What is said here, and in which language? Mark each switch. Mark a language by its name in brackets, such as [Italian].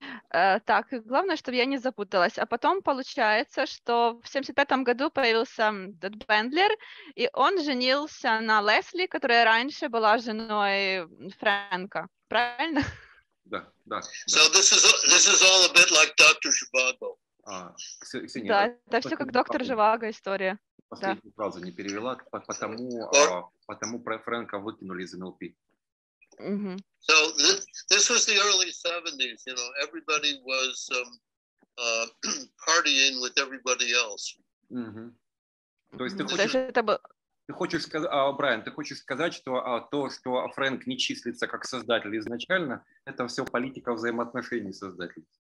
[Russian] Так, главное, чтобы я не запуталась. А потом получается, что в 75-м году появился этот Бендлер, и он женился на Лесли, которая раньше была женой Фрэнка. Правильно? Да, да. [English] So this is all a bit like Dr. Zhivago. [Russian] Да, это все как доктор Живаго история. Последнюю фразу не перевела, потому потому про Фрэнка выкинули из NLP. Mm-hmm. [English] So this was the early 70s, you know, everybody was partying with everybody else. Mm-hmm. [Russian] То есть ты хочешь сказать, что то, что Фрэнк не числится как создатель изначально, это все политика взаимоотношений создателей.